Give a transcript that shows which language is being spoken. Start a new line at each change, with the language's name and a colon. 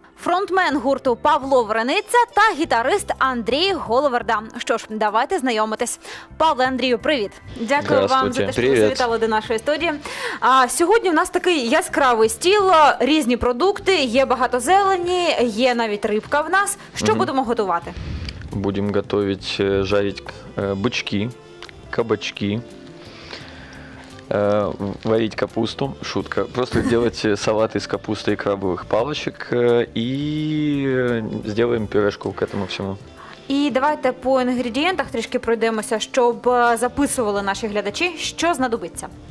Ukrainian: Фронтмен гурту Павло Вриниця та гітарист Андрій Головарда. Що ж, давайте знайомитись. Павло, Андрію, привіт. Дякую вам за те, що ви завітали до нашої студії. А сьогодні у нас такий яскравий стіл, різні продукти, є багато зелені, є навіть рибка в нас. Що будемо готувати? Будемо готувати, жарити бички, кабачки,
Russian: варить капусту, шутка, просто делать салат из капусты и крабовых палочек, и сделаем пюрешку к этому всему.
Ukrainian: І давайте по інгредієнтах трішки пройдемося, щоб записували наші глядачі, що знадобиться.